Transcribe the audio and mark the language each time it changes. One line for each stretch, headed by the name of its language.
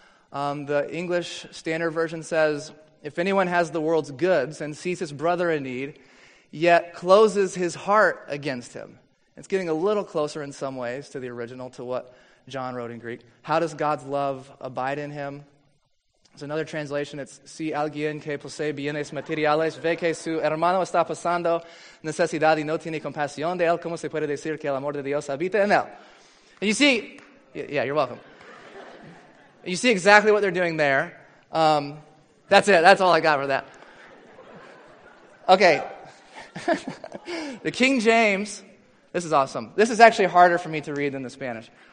English: The English Standard Version says, if anyone has the world's goods and sees his brother in need, yet closes his heart against him. It's getting a little closer in some ways to the original, to what John wrote in Greek. How does God's love abide in him? It's another translation. It's,
Spanish: si alguien que posee bienes materiales ve que su hermano está pasando necesidad y no tiene compasión de él, ¿cómo se puede decir que el amor de Dios habita en él?
English: And you see, yeah, you're welcome. You see exactly what they're doing there. That's it. That's all I got for that. Okay. The King James, this is awesome. This is actually harder for me to read than the Spanish.